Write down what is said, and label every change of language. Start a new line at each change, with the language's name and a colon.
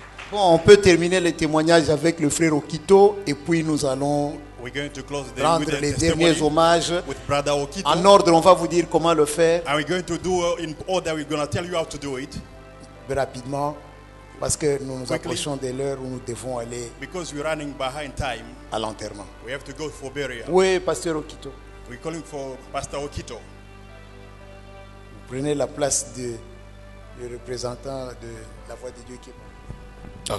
French: Bon, on peut terminer le témoignage avec le frère Okito et puis nous allons rendre les derniers hommages. En ordre, on va vous dire comment le faire.
English: And we're going to do in order, we're going to tell you how to do it.
French: Rapidement. Parce que nous approchons de l'heure où nous devons aller
English: time,
French: à l'enterrement.
English: We have to go for burial.
French: Oui, Pasteur Okito.
English: We're calling for Pastor Okito.
French: Vous prenez la place du représentant de la voix de Dieu qui est mort.